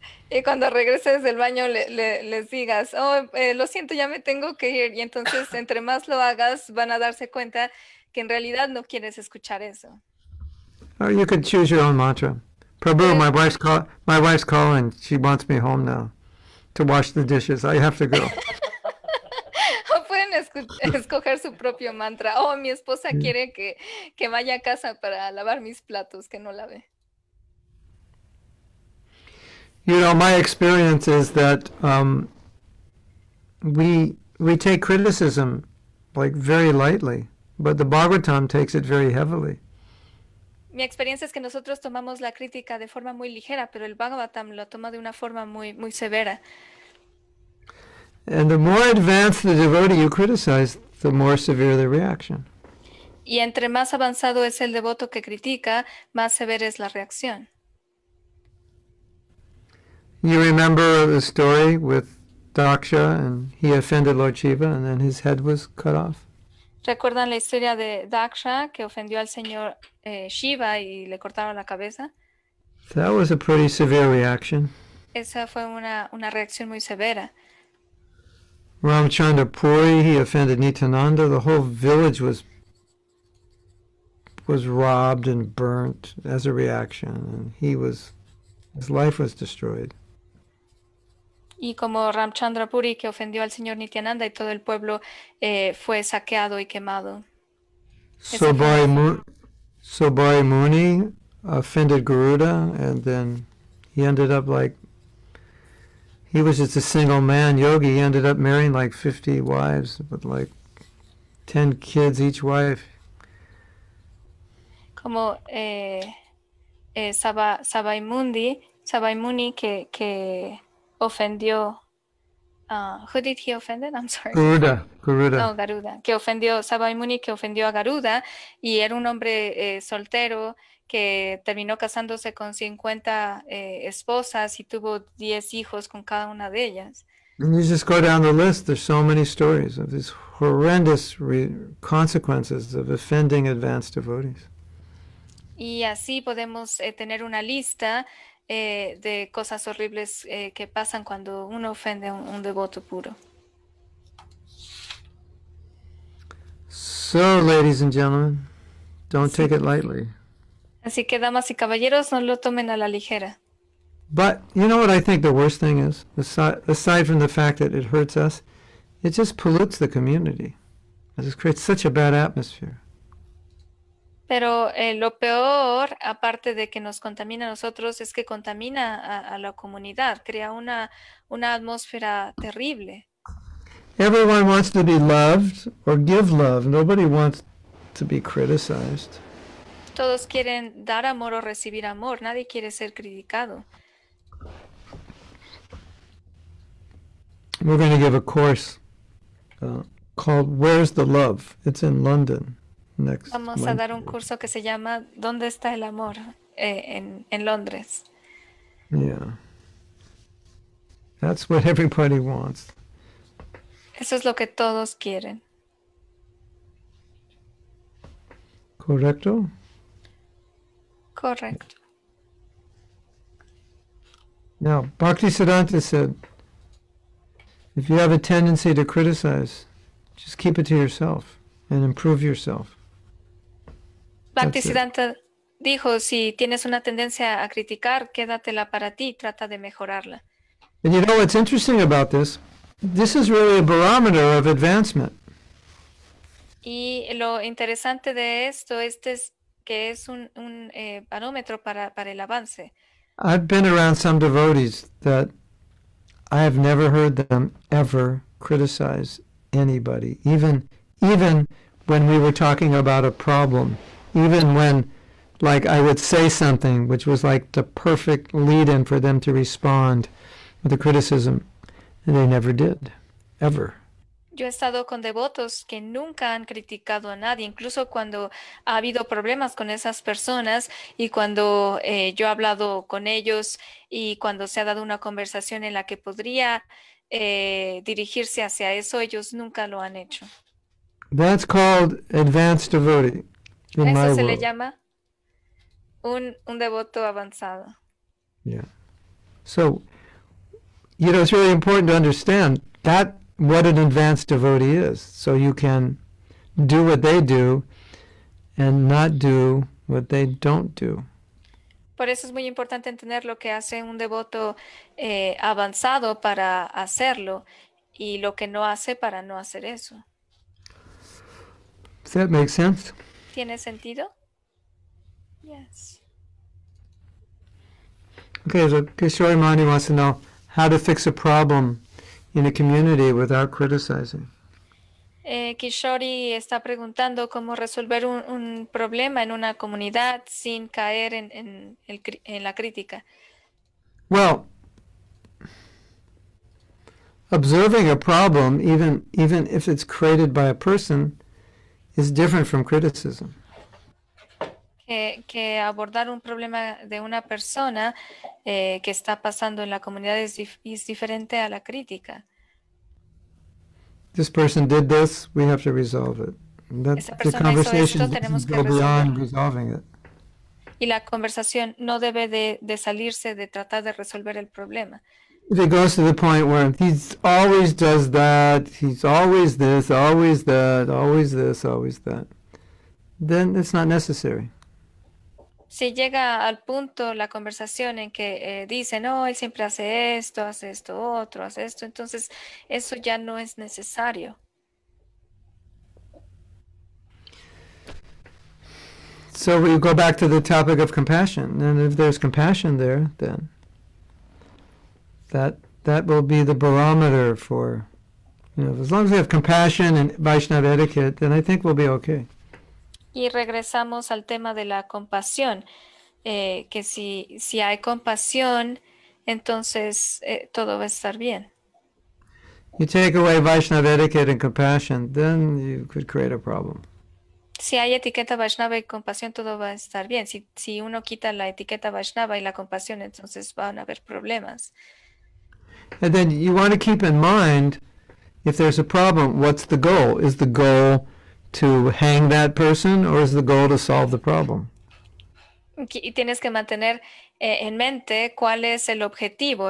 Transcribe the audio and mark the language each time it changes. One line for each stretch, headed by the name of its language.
Spanish: Y cuando regreses del baño, les digas, lo siento, ya me tengo que ir. Y entonces, entre más lo hagas, van a darse cuenta que en realidad no quieres escuchar eso.
English: Or you could choose your own mantra. Prabhu, my wife's calling. She wants me home now to wash the dishes. I have to go.
Spanish: O pueden escoger su propio mantra. Oh, mi esposa quiere que vaya a casa para lavar mis platos, que no lave.
English: You know, my experience is that we take criticism like very lightly, but the Bhagavatam takes it very heavily.
Spanish: Mi experiencia es que nosotros tomamos la crítica de forma muy ligera, pero el Bhagavatam lo toma de una forma muy muy severa.
English: And the more advanced the devotee you criticize, the more severe the reaction.
Spanish: Y entre más avanzado es el devoto que critica, más severa es la reacción.
English: You remember the story with Daksha, and he offended Lord Shiva, and then his head was cut off.
Spanish: ¿Recuerdan la historia de Daksha que ofendió al señor Shiva y le cortaron la cabeza?
English: That was a pretty severe reaction.
Spanish: Esa fue una reacción muy severa.
English: Ramchandra Puri, he offended Nityananda. The whole village was robbed and burnt as a reaction, and his life was destroyed.
Spanish: Y como Ramchandra Puri, que ofendió al señor Nityananda, y todo el pueblo fue saqueado y quemado.
English: Sobhai Muni offended Garuda, and then he ended up like, he was just a single man yogi. He ended up marrying like 50 wives, with like 10 kids each wife.
Spanish: Como Sabaimuni que ofendió,
English: who did he offend? I'm sorry. Garuda. No, Garuda.
Spanish: Que ofendió Sabai Muni, que ofendió a Garuda, y era un hombre soltero que terminó casándose con 50 esposas y tuvo 10 hijos con cada una de ellas.
English: And you just go down the list. There's so many stories of these horrendous consequences of offending advanced devotees.
Spanish: Y así podemos tener una lista de cosas horribles que pasan cuando uno ofende a un devoto puro.
English: So, ladies and gentlemen, don't take it lightly.
Spanish: Así que, damas y caballeros, no lo tomen a la ligera.
English: But you know what I think the worst thing is? Aside from the fact that it hurts us, it just pollutes the community. It just creates such a bad atmosphere.
Spanish: Pero lo peor, aparte de que nos contamina a nosotros, es que contamina a la comunidad. Crea una atmósfera terrible.
English: Everyone wants to be loved or give love. Nobody wants to be criticized.
Spanish: Todos quieren dar amor o recibir amor. Nadie quiere ser criticado.
English: We're going to give a course called Where's the Love? It's in London next month.
Spanish: Vamos a dar un curso que se llama ¿Dónde está el amor? En Londres.
English: Yeah. That's what everybody wants.
Spanish: Eso es lo que todos quieren. ¿Correcto? Correcto.
English: Now, Bhaktisiddhanta said, if you have a tendency to criticize, just keep it to yourself and improve yourself.
Spanish: Bhaktisiddhanta dijo, si tienes una tendencia a criticar, quédatela para ti, trata de mejorarla.
English: And you know what's interesting about this? This is really a barometer of advancement.
Spanish: Y lo interesante de esto, es que es un barómetro para el avance.
English: I've been around some devotees that I have never heard them ever criticize anybody, even when we were talking about a problem, even when, like, I would say something which was like the perfect lead-in for them to respond with a criticism. And they never did, ever.
Spanish: Yo he estado con devotos que nunca han criticado a nadie, incluso cuando ha habido problemas con esas personas y cuando yo he hablado con ellos y cuando se ha dado una conversación en la que podría dirigirse hacia eso, ellos nunca lo han hecho.
English: That's called advanced devotee in
Spanish: eso
English: my
Spanish: se
English: world.
Spanish: Le llama un devoto avanzado.
English: Yeah. So, you know, it's really important to understand that what an advanced devotee is, so you can do what they do and not do what they don't do.
Spanish: Por eso es muy importante entender lo que hace un devoto avanzado para hacerlo y lo que no hace para no hacer eso.
English: Does that make sense?
Spanish: ¿Tiene sentido?
English: Yes. Okay, so Kishori Mani wants to know how to fix a problem in a community without criticizing.
Spanish: Kishori está preguntando cómo resolver un problema en una comunidad sin caer en la crítica.
English: Well, observing a problem, even if it's created by a person, is different from criticism.
Spanish: Que abordar un problema de una persona que está pasando en la comunidad es diferente a la crítica.
English: This person did this, we have to resolve it. That's the conversation doesn't go beyond resolving it.
Spanish: Y la conversación no debe de salirse de tratar de resolver el problema.
English: If it goes to the point where he's always does that, he's always this, always that, always this, always that, then it's not necessary.
Spanish: Si llega al punto la conversación en que dice, no, él siempre hace esto otro, hace esto, entonces eso ya no es necesario.
English: So we go back to the topic of compassion, and if there's compassion there, then that will be the barometer for, you know, as long as we have compassion and Vaishnava etiquette, then I think we'll be okay.
Spanish: Y regresamos al tema de la compasión, que si hay compasión, entonces todo va a estar bien.
English: You take away Vaishnava etiquette and compassion, then you could create a problem.
Spanish: Si hay etiqueta Vaishnava y compasión, todo va a estar bien. Si uno quita la etiqueta Vaishnava y la compasión, entonces van a haber problemas.
English: And then you want to keep in mind, if there's a problem, what's the goal? Is the goal to hang that person, or is the goal to solve the problem?
Spanish: Y tienes que mantener en mente cuál es el objetivo.